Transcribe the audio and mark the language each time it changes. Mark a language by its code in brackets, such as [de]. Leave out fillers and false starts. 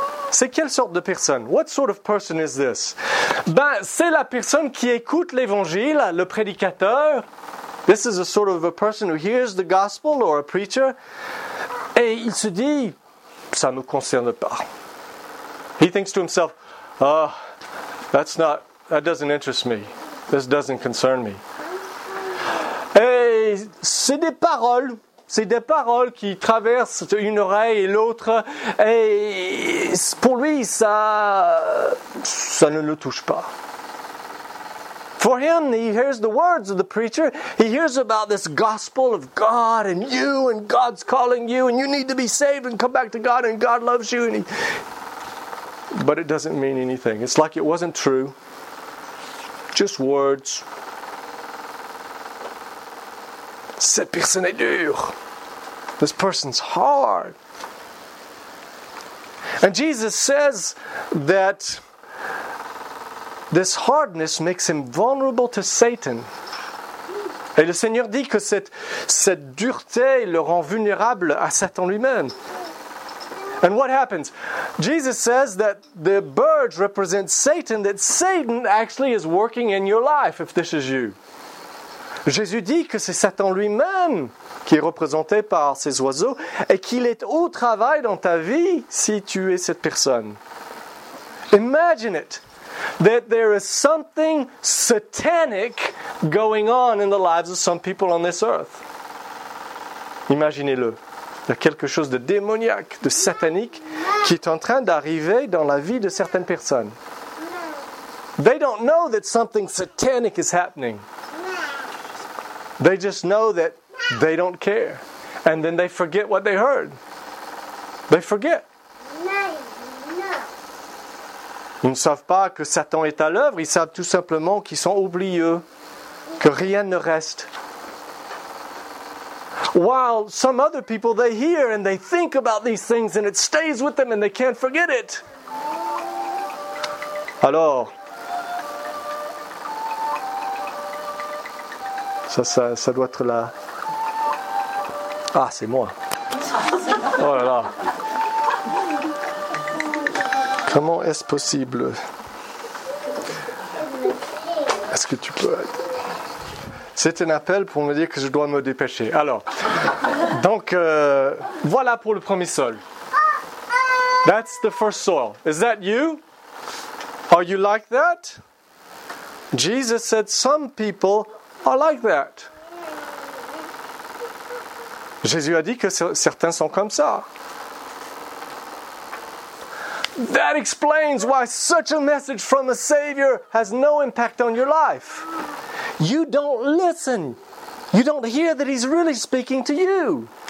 [fr] C'est quelle sorte de personne? [en] What sort of person is this? [fr] Ben, c'est la personne qui écoute l'évangile, le prédicateur. [en] This is a sort of a person who hears the gospel or a preacher. [fr] Et il se dit, ça ne nous concerne pas. [en] He thinks to himself, oh, that's not, that doesn't interest me. This doesn't concern me. Et [fr] c'est des paroles. C'est des paroles qui traversent une oreille et l'autre, et pour lui, ça ne le touche pas. [en] For him, he hears the words of the preacher. He hears about this gospel of God and you, and God's calling you, and you need to be saved and come back to God, and God loves you. And he... But it doesn't mean anything. It's like it wasn't true. Just words. [fr] Cette personne est dure. [en] This person's hard. And Jesus says that this hardness makes him vulnerable to Satan. [fr] Et le Seigneur dit que cette dureté le rend vulnérable à Satan lui-même. [en] And what happens? Jesus says that the birds represent Satan, that Satan actually is working in your life, if this is you. [fr] Jésus dit que c'est Satan lui-même qui est représenté par ces oiseaux et qu'il est au travail dans ta vie si tu es cette personne. [en] Imagine it, that there is something satanic going on in the lives of some people on this earth. [fr] Imaginez-le. Il y a quelque chose de démoniaque, de satanique qui est en train d'arriver dans la vie de certaines personnes. [en] They don't know that something satanic is happening. They just know that they don't care. And then they forget what they heard. They forget. [fr] Ils ne savent pas que Satan est à l'œuvre. Ils savent tout simplement qu'ils sont oublieux, que rien ne reste. [en] While some other people, they hear and they think about these things and it stays with them and they can't forget it. [fr] Alors, Ça doit être là. Ah, c'est moi. Oh là là. Comment est-ce possible? Est-ce que tu peux... C'est un appel pour me dire que je dois me dépêcher. Alors, donc, voilà pour le premier sol. [en] That's the first soil. Is that you? Are you like that? Jesus said some people are like that. [fr] Jésus a dit que certains sont comme ça. [en] That explains why such a message from a Savior has no impact on your life. You don't listen. You don't hear that He's really speaking to you.